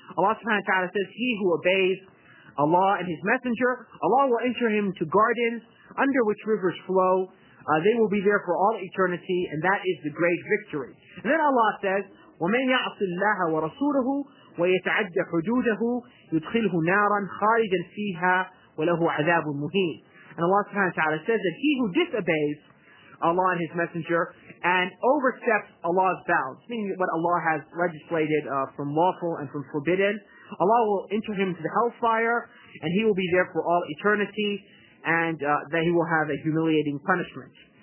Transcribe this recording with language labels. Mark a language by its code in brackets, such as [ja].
[en] Allah subhanahu wa ta'ala says, he who obeys Allah and his messenger, Allah will enter him to gardens under which rivers flow. They will be there for all eternity, and that is the great victory. And then Allah says, [ar] وَمَنْ يَعْصِ اللَّهَ وَرَسُولَهُ وَيَتَعَدَّ حُدُودَهُ يُدْخِلْهُ نَارًا خَارِجًا فِيهَا وَلَهُ عَذَابٌ مُهِينٌ. [en] And Allah subhanahu wa ta'ala says that he who disobeys Allah and his messenger and oversteps Allah's bounds, meaning what Allah has legislated from lawful and from forbidden, Allah will enter him into the hellfire, and he will be there for all eternity, and that he will have a humiliating punishment.